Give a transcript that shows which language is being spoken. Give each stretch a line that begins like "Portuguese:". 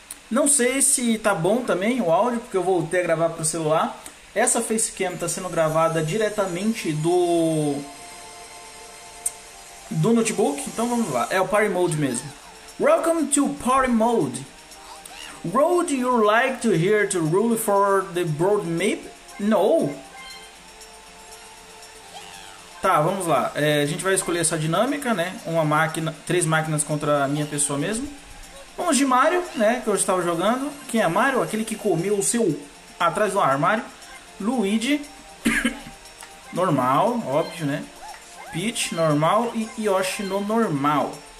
Portuguese: Não sei se tá bom também o áudio, porque eu voltei a gravar pro celular. Essa facecam tá sendo gravada diretamente do notebook, então vamos lá. É o Party Mode mesmo.
English: Welcome to Party Mode. Would you like to hear to rule for the board map? No.
Portuguese: Tá, vamos lá. É, a gente vai escolher essa dinâmica, né? Uma máquina, três máquinas contra a minha pessoa mesmo. Vamos de Mario, né? Que eu estava jogando. Quem é Mario? Aquele que comeu o seu atrás do armário. Luigi. Normal, óbvio, né? Peach normal e Yoshi no normal.